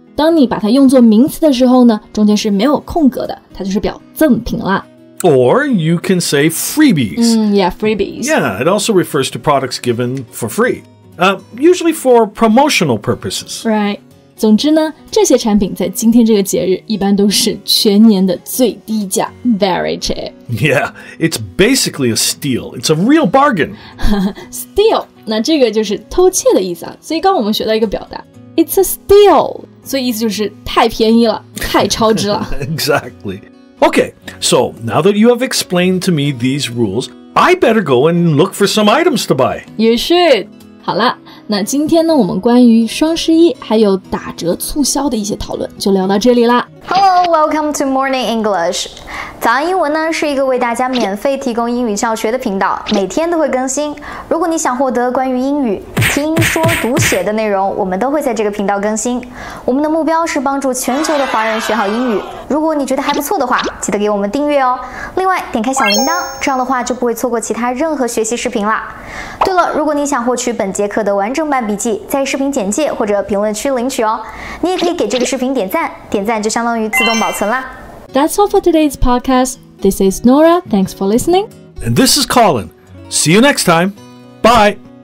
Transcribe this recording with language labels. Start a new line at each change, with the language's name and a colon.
Chinese: 当你把它用作名词的时候呢，中间是没有空格的，它就是表赠品啦。
English: Or you can say freebies. Yeah, freebies. Yeah, it also refers to products given for free. Usually for promotional purposes. Right.
Chinese: 总之呢，这些产品在今天这个节日一般都是全年的最低价 ，
English: very cheap. Yeah, it's basically a steal. It's a real bargain. Steal.
Chinese: 那这个就是偷窃的意思啊。所以刚我们学到一个表达 ，
English: it's a steal.
Chinese: 所以意思就是太便宜了，太超值了。
English: Exactly. Okay. So now that you have explained to me these rules, I better go and look for some items to buy. You should.
Chinese: 好了，那今天呢，我们关于双十一还有打折促销的一些讨论就聊到这里啦。
English: Hello, welcome to Morning English.
Chinese: 早安英文呢是一个为大家免费提供英语教学的频道，每天都会更新。如果你想获得关于英语听说读写的内容，我们都会在这个频道更新。我们的目标是帮助全球的华人学好英语。如果你觉得还不错的话，记得给我们订阅哦。另外，点开小铃铛，这样的话就不会错过其他任何学习视频啦。对了，如果你想获取本节课的完整版笔记，在视频简介或者评论区领取哦。你也可以给这个视频点赞，点赞就相当于自动保存啦。
English: That's all for today's podcast. This is Nora. Thanks for listening. And this is Colin. See you next time. Bye.